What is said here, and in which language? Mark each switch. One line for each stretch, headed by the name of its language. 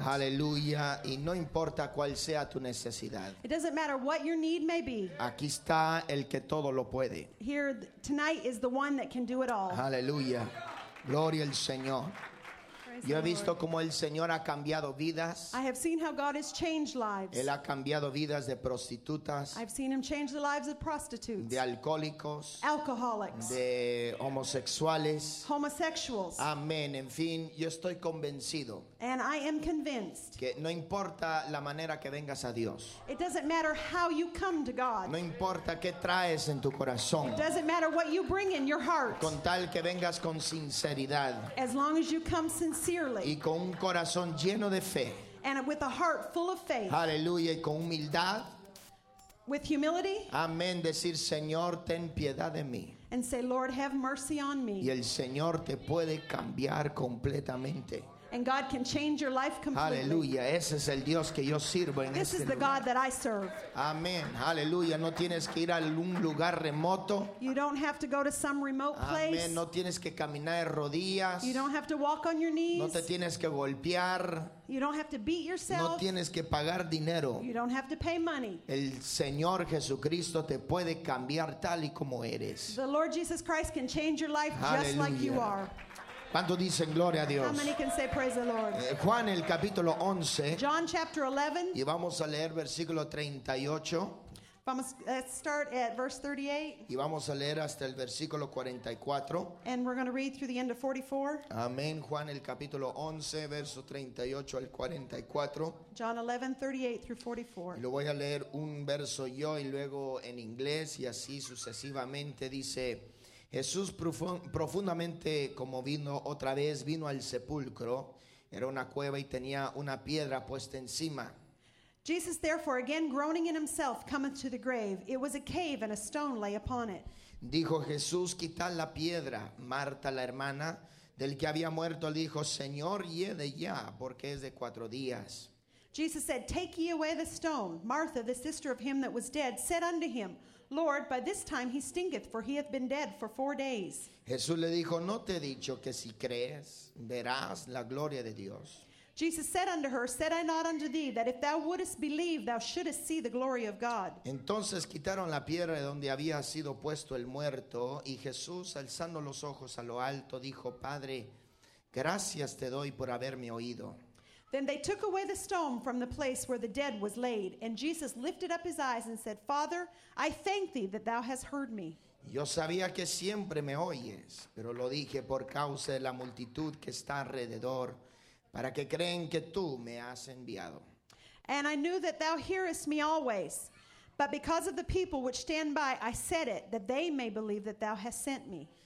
Spanish: Aleluya, y no importa cuál sea tu necesidad.
English: It doesn't matter what your need may be.
Spanish: Aquí está el que todo lo puede.
English: Here tonight is the one that can do it all.
Spanish: Aleluya. Gloria al Señor. Yo he visto cómo el Señor ha cambiado vidas.
English: I have seen how God has changed lives.
Spanish: Él ha cambiado vidas de prostitutas.
English: I've seen him change the lives of prostitutes.
Spanish: De alcohólicos.
English: Alcoholics.
Spanish: De homosexuales.
English: Homosexuals.
Spanish: Amén. En fin, yo estoy convencido.
English: And I am convinced.
Spanish: Que no importa la manera que vengas a Dios.
English: It doesn't matter how you come to God.
Spanish: No importa qué traes en tu corazón.
English: It doesn't matter what you bring in your heart.
Spanish: Con tal que vengas con sinceridad.
English: As long as you come sincerely.
Spanish: Y con un corazón lleno de fe.
English: And with a heart full of faith.
Spanish: Aleluya, y con humildad.
English: With humility.
Spanish: Amén, decir, Señor, ten piedad de mí.
English: And say, Lord, have mercy on me.
Spanish: Y el Señor te puede cambiar completamente.
English: And God can change your life completely.
Spanish: Aleluya, ese es el Dios que yo sirvo en
English: This is the God that I serve.
Spanish: Amén, aleluya, no tienes que ir a algún lugar remoto.
English: You don't have to go to some remote place.
Spanish: Amén, no tienes que caminar de rodillas.
English: You don't have to walk on your knees.
Spanish: No te tienes que golpear.
English: You don't have to beat yourself.
Spanish: No tienes que pagar dinero.
English: You don't have to pay money.
Spanish: El Señor Jesucristo te puede cambiar tal y como eres.
English: The Lord Jesus Christ can change your life.
Spanish: Aleluya.
English: Just like you are.
Spanish: ¿Cuánto dicen gloria a Dios?
English: How many can say praise the Lord?
Spanish: Juan el capítulo 11.
English: John chapter 11.
Spanish: Y vamos a leer versículo 38.
English: Let's start at verse 38.
Spanish: Y vamos a leer hasta el versículo 44.
English: And we're going to read through the end of 44.
Spanish: Amén. Juan el capítulo 11, verso 38 al 44.
English: John 11, 38 through 44.
Spanish: Y lo voy a leer un verso yo y luego en inglés y así sucesivamente. Dice: Jesús, profundamente conmovido otra vez, vino al sepulcro. Era una cueva y tenía una piedra puesta encima.
English: Jesus, therefore, again groaning in himself, cometh to the grave. It was a cave, and a stone lay upon it.
Spanish: Dijo Jesús, quitad la piedra. Marta, la hermana del que había muerto, le dijo, Señor, yede ya, porque es de cuatro días.
English: Jesus said, take ye away the stone. Martha, the sister of him that was dead, said unto him, Lord, by this time he stinketh, for he hath been dead for 4 days.
Spanish: Jesús le dijo, no te he dicho que si crees, verás la gloria de Dios.
English: Jesus said unto her, said I not unto thee, that if thou wouldest believe, thou shouldest see the glory of God.
Spanish: Entonces quitaron la piedra de donde había sido puesto el muerto, y Jesús, alzando los ojos a lo alto, dijo, Padre, gracias te doy por haberme oído.
English: Then they took away the stone from the place where the dead was laid. And Jesus lifted up his eyes and said, Father, I thank thee that thou hast heard me.
Spanish: Yo sabía que siempre me oyes, pero lo dije por causa de la multitud que está alrededor, para que creen que tú me has enviado.
English: And I knew that thou hearest me always, but because of the people which stand by, I said it, that they may believe that thou hast sent me.